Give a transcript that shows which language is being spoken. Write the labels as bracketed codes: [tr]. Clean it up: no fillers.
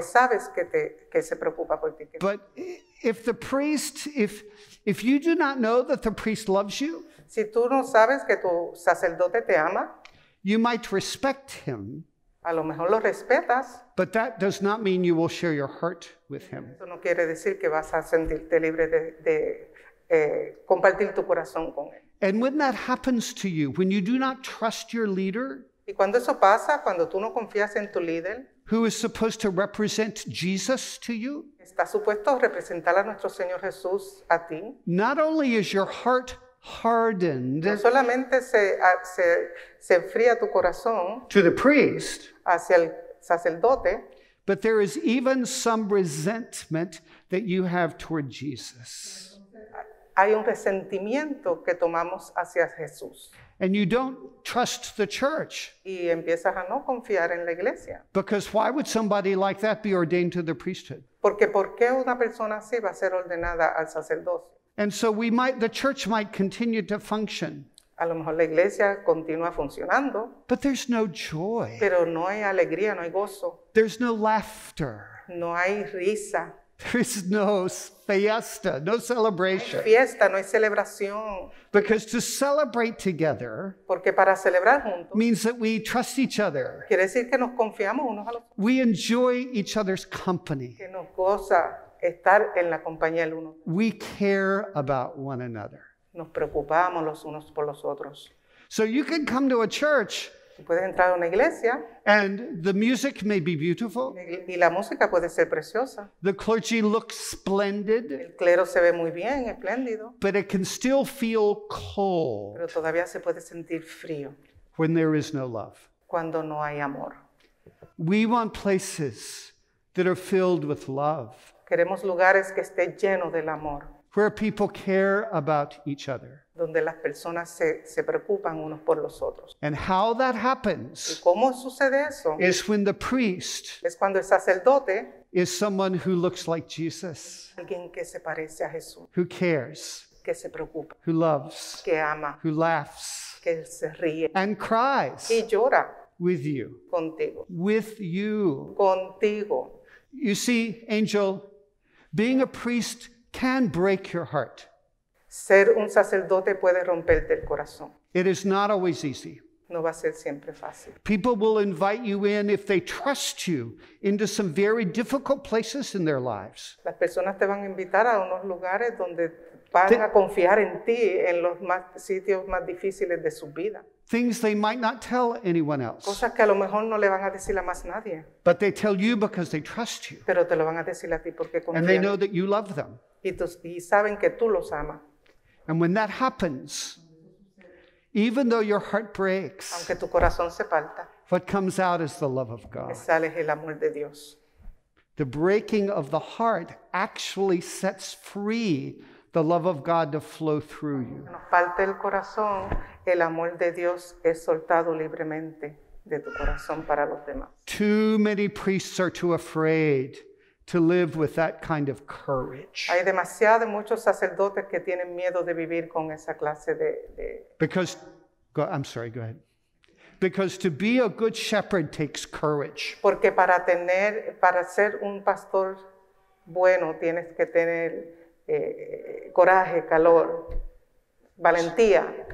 [es] Porque sabes que se preocupa por ti. [en] But if the priest, if you do not know that the priest loves you, [es] si tú no sabes que tu sacerdote te ama, [en] you might respect him. [es] A lo mejor lo respetas. [en] But that does not mean you will share your heart with him. [es] Eso no quiere decir que vas a sentirte libre compartir tu corazón con él. [en] And when that happens to you, when you do not trust your leader, [es] y cuando eso pasa, cuando tú no confías en tu líder, [en] who is supposed to represent Jesus to you, [es] está supuesto representar a nuestro Señor Jesús a ti, [en] not only is your heart hardened, [es] no solamente se enfría tu corazón [en] to the priest, [es] hacia el sacerdote, [en] but there is even some resentment that you have toward Jesus. [es] Hay un resentimiento que tomamos hacia Jesús. [en] And you don't trust the church. [es] Y empiezas a no confiar en la iglesia. [en] Because why would somebody like that be ordained to the priesthood? [es] Porque ¿por qué una persona así va a ser ordenada al sacerdocio? [en] And so the church might continue to function. [es] A lo mejor la iglesia continúa funcionando. [en] But there's no joy. [es] Pero no hay alegría, no hay gozo. [en] There's no laughter. [es] No hay risa. [en] There is no fiesta, no celebration. [es] No hay fiesta, no hay celebración. [en] Because to celebrate together, [es] porque para celebrar juntos, [en] means that we trust each other. [es] Quiere decir que nos confiamos unos a los otros. [en] We enjoy each other's company. [es] Que nos goza estar en la compañía el uno. [en] We care about one another. [es] Nos preocupamos los unos por los otros. [en] So you can come to a church. [es] Puedes entrar a una iglesia. [en] And the music may be beautiful. [es] Y la música puede ser preciosa. [en] The clergy looks splendid. [es] El clero se ve muy bien, espléndido. [en] But it can still feel cold. [es] Pero todavía se puede sentir frío. [en] When there is no love. [es] Cuando no hay amor. [en] We want places that are filled with love. [es] Queremos lugares que esté lleno del amor. [en] Where people care about each other. [es] Donde las personas se preocupan unos por los otros. [en] And how that happens. [es] ¿Y cómo sucede eso? [en] Is when the priest. [es] Es cuando el sacerdote. [en] Is someone who looks like Jesus. [es] Alguien que se parece a Jesús. [en] Who cares. [es] Que se preocupa. [en] Who loves. [es] Que ama. [en] Who laughs. [es] Que se ríe. [en] And cries. [es] Y llora. [en] With you. [es] Contigo. [en] With you. [es] Contigo. [en] You see, Ángel, being a priest can break your heart. [es] Ser un sacerdote puede romperte el corazón. [en] It is not always easy. [es] No va a ser siempre fácil. [en] People will invite you in if they trust you into some very difficult places in their lives. [es] Las personas te van a invitar a unos lugares donde van a confiar en ti en los más sitios más difíciles de su vida. [en] Things they might not tell anyone else. [es] Cosas que a lo mejor no le van a decir a más nadie. [en] But they tell you because they trust you. [es] Pero te lo van a decir a ti porque confían. [en] And they know that you love them. [es] Y saben que tú los amas. [en] And when that happens, even though your heart breaks, [es] aunque tu corazón se parta, [en] what comes out is the love of God. [es] Sale el amor de Dios. [en] The breaking of the heart actually sets free the love of God to flow through you. [es] Nos parte el corazón, el amor de Dios es soltado libremente de tu corazón para los demás. [en] Too many priests are too afraid to live with that kind of courage. [es] Hay demasiado muchos sacerdotes que tienen miedo de vivir con esa clase de... [en] Because to be a good shepherd takes courage. [es] Porque para ser un pastor bueno tienes que tener coraje, calor, valentía.